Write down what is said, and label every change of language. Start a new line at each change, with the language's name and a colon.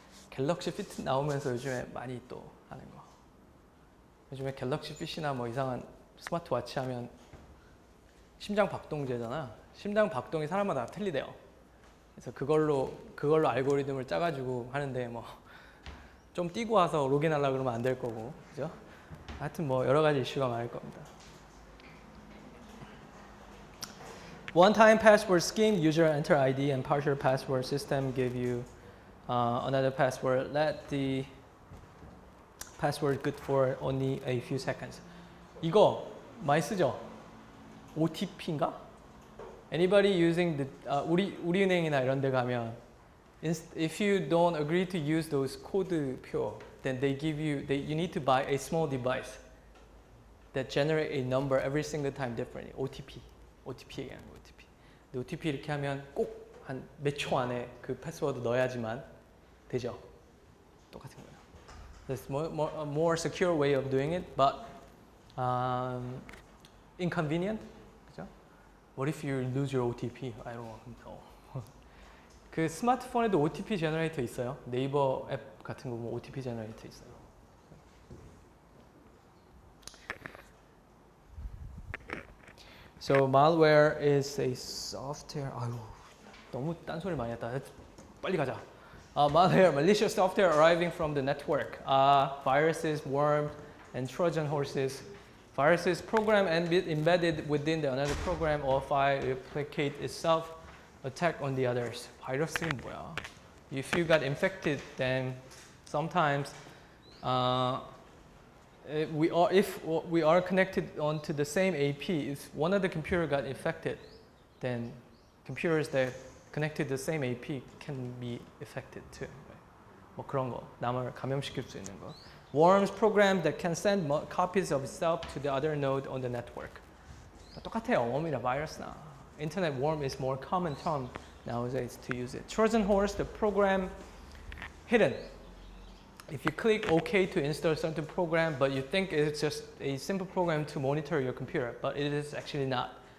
Korean: 갤럭시 핏 나오면서 요즘에 많이 또 하는 거. 요즘에 갤럭시 핏이나 뭐 이상한 스마트 워치 하면 심장 박동제잖아. 심장 박동이 사람마다 틀리대요. 그래서 그걸로 알고리즘을 짜가지고 하는데 뭐 좀 뛰고 와서 로그인하려고 그러면 안 될 거고, 그죠? 하여튼 뭐 여러 가지 이슈가 많을 겁니다.
English: One-time password scheme, user enter ID and partial password system give you another password. Let the password good for only a few seconds.
Korean: 이거 많이 쓰죠? OTP인가?
English: Anybody using the
Korean: 우리 은행이나 이런 데 가면
English: if you don't agree to use those code 표 then they give you they you need to buy a small device that generate a number every single time differently.
Korean: OTP 얘기하는 거 OTP. OTP 이렇게 하면 꼭 한 몇 초 안에 그 패스워드 넣어야지만 되죠. 똑같은 거예요.
English: That's more secure way of doing it, but inconvenient. What if you lose your OTP? I don't know.
Korean: 그 스마트폰에도 OTP 제너레이터 있어요. 네이버 앱 같은 거 보면 OTP 제너레이터 있어요. 그래서
English: so, malware is a software.
Korean: 아유, 너무 딴소리 많이 했다. 빨리 가자.
English: Malware, malicious software arriving from the network. Viruses, worm, and Trojan horses. Viruses program and be embedded within the another program or file replicate itself, attack on the others.
Korean: 바이러스는 뭐야?
English: If you got infected, then sometimes if we are connected onto the same AP, if one of the computer got infected, then computers that connected the same AP can be affected too.
Korean: 뭐 그런 거, 남을 감염시킬 수 있는 거.
English: Worms program that can send copies of itself to the other node on the network.
Korean: 똑같아요.
English: Worm이나 virus나. Internet worm is more common term nowadays to use it. Trojan horse, the program hidden. If you click OK to install a certain program, but you think it's just a simple program to monitor your computer, but it is actually not.